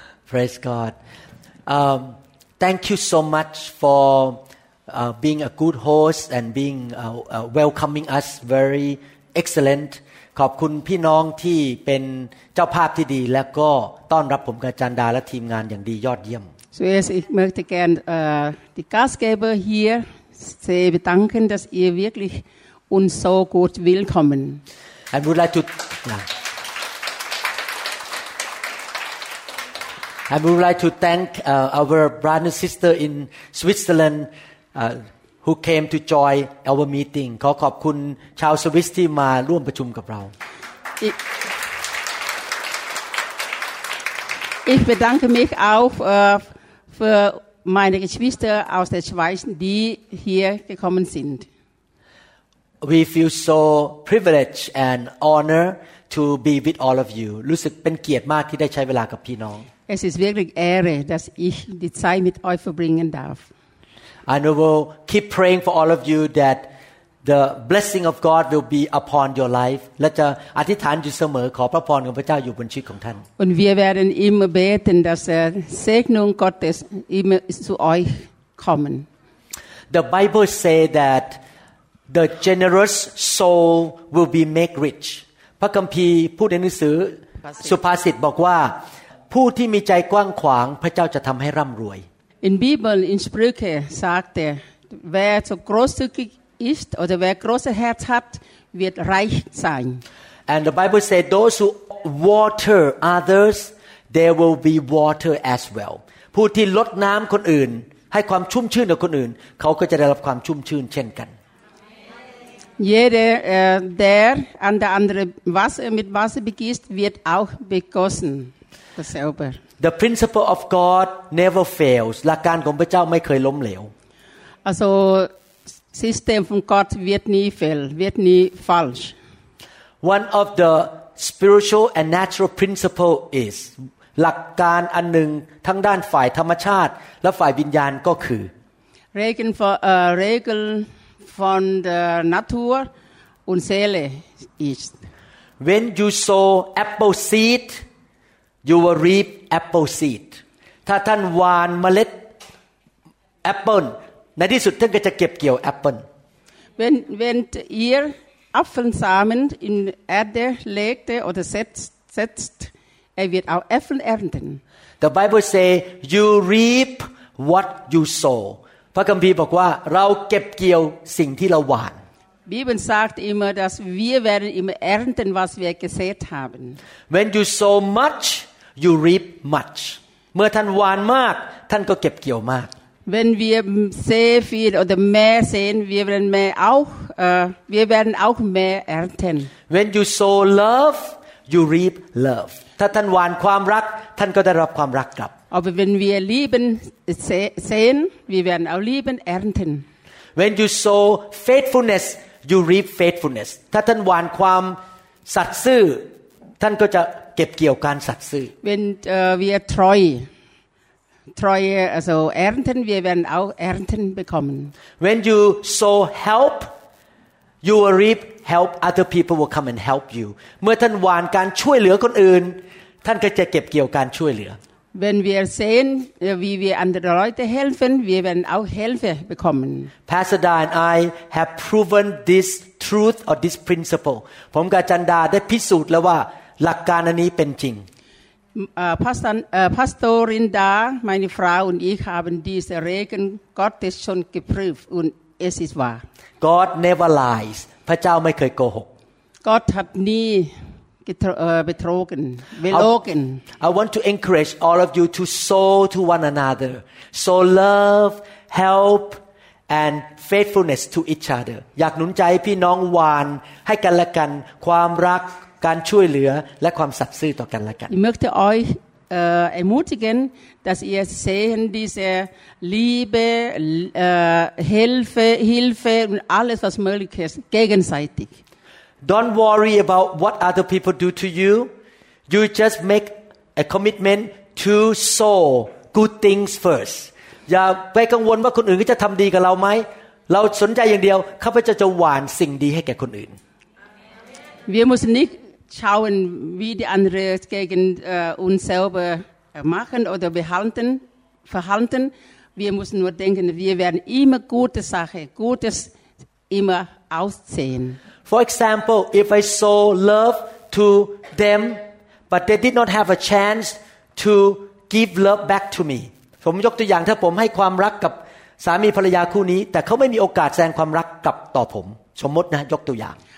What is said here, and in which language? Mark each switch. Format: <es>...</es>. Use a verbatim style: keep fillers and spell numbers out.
<en>Praise God um, Thank you so much for Uh, being a good host and being uh, uh, welcoming us very excellent</en> <th>ขอบคุณพี่น้องที่เป็นเจ้าภาพที่ดีและก็ต้อนรับผมกับอาจารย์ดาและทีมงานอย่างดียอดเยี่ยม</th> <de>Zuerst ich möchte gern uh, die Gastgeber hier sehr bedanken dass ihr wirklich uns so gut willkommen</de> <en>I would like to I would like to thank uh, our brother and sister in Switzerland Uh, who came to join our meeting</en> <th>ขอขอบคุณชาวสวิสที่มาร่วมประชุมกับเรา</th> <de>Ich bedanke mich auch uh, für meine Geschwister aus der Schweiz, die hier gekommen sind.</de> <en>We feel so privileged and honor to be with all of you</en> <th>รู้สึกเป็นเกียรติมากที่ได้ใช้เวลากับพี่น้อง</th> <de>Es ist wirklich Ehre, dass ich die Zeit mit euch verbringen darf.</de> <en>And we will keep praying for all of you that the blessing of God will be upon your life.</en> <th>และจะอธิษฐานอยู่เสมอขอพระพรของพระเจ้าอยู่บนชีวิตของท่าน</th> <de>Und wir werden immer beten, dass die Segnung Gottes immer zu euch kommen.</de> <en>The Bible say that the generous soul will be made rich.</en> <th>พระคัมภีร์พูดในหนังสือ สุภาษิตบอกว่าผู้ที่มีใจกว้างขวางพระเจ้าจะทำให้ร่ำรวย</th> <de>In Bibel in Sprüche sagt er, wer so großzügig ist oder wer großes Herz hat, wird reich sein.</de> <en>And the Bible says those who water others, there will be water as well.</en> <th>ผู้ที่รดน้ำคนอื่นให้ความชุ่มชื่นกับคนอื่นเขาก็จะได้รับความชุ่มชื่นเช่นกัน</th> <de>Jeder, äh, der an der andere Wasser mit Wasser begießt, wird auch begossen. Dasselbe.</de> <en>The principle of God never fails.</en> <th>หลักการของพระเจ้าไม่เคยล้มเหลว</th> <de>Also System von Gott wird nie fail, wird nie falsch.</de> <en>One of the spiritual and natural principle is</en> <th>หลักการอันหนึ่งทั้งด้านฝ่ายธรรมชาติและฝ่ายวิญญาณก็คือ</th> <de>Regel for uh, Regel von der Natur und Seele ist.</de> <en>When you sow apple seed, you will reap apple seed.</en> <th>ถ้าท่านหว่านเมล็ดแอปเปิ้ลในที่สุดท่านก็จะเก็บเกี่ยวแอปเปิ้ล</th> <de>Wenn wenn ihr Apfelsamen in Erde legt oder setzt, setzt, er wird auch Äpfel ernten.</de> <en>The Bible say you reap what you sow.</en> <th>พระคัมภีร์บอกว่าเราเก็บเกี่ยวสิ่งที่เราหว่าน</th> <de>Bibel sagt immer, dass wir werden immer ernten, was wir gesät haben.</de> <en>When you sow much, you reap much.</en> <th>เมื่อท่านหว่านมากท่านก็เก็บเกี่ยวมาก</th> <de>Wenn wir sehr viel oder mehr säen, wir werden mehr auch, uh, wir werden auch mehr ernten.</de> <en>When you sow love, you reap love.</en> <th>ถ้าท่านหว่านความรักท่านก็ได้รับความรักกลับ</th> <de>Aber wenn wir lieben sehen, wir werden auch lieben ernten.</de> <en>When you sow faithfulness, you reap faithfulness.</en> <th>ถ้าท่านหว่านความสัตย์ซื่อท่านก็จะเก็บเกี่ยวการสัตย์ซื่อ</th> <de>Wenn uh, wir treu treue also ernten, wir werden auch ernten bekommen.</de> <en>When you sow help, you will reap help. Other people will come and help you.</en> <th>เมื่อท่านหว่านการช่วยเหลือคนอื่นท่านก็จะเก็บเกี่ยวการช่วยเหลือ</th> <de>Wenn wir sehen, wie wir andere Leute helfen, wir werden auch Hilfe bekommen.</de> <en>Pastor Da and I have proven this truth or this principle.</en> <th>ผมกับอาจารย์ดาได้พิสูจน์แล้วว่าหลักการอันนี้เป็นจริง</th> <de>Pastor Pastorin Da, meine Frau und ich haben diese Regeln Gottes schon geprüft und es ist wahr.</de> <en>God never lies.</en> <th>พระเจ้าไม่เคยโกหก</th> <de>Gott hat nie betrogen, belogen.</de> <en>I want to encourage all of you to sow to one another. Sow love, help, and faithfulness to each other.</en> <th>อยากหนุนใจพี่น้องหวานให้กันและกันความรักการช่วยเหลือและความสัตย์ซื่อต่อกันและกัน</th> <de>Ich möchte euch äh, ermutigen, dass ihr sehen diese Liebe, äh, Hilfe, Hilfe und alles was möglich ist gegenseitig.</de> <en>Don't worry about what other people do to you. You just make a commitment to sow good things first.</en> <th>อย่าไปกังวลว่าคนอื่นก็จะทำดีกับเราไหมเราสนใจอย่างเดียวข้าพเจ้าจะหว่านสิ่งดีให้แก่คนอื่น</th> <de>Wir müssen nicht schauen, wie die anderen gegen uh, uns selber machen oder behalten, verhalten. Wir müssen nur denken, wir werden immer gute Sache, Gutes immer aussehen.</de> <en>For example, if I sow love to them, but they did not have a chance to give love back to me.</en> <th>ผมยกตัวอย่างถ้าผมให้ความรักกับสามีภรรยาคู่นี้แต่เขาไม่มีโอกาสแสดงความรักกลับต่อผมสมมตินะยกตัวอย่าง</th>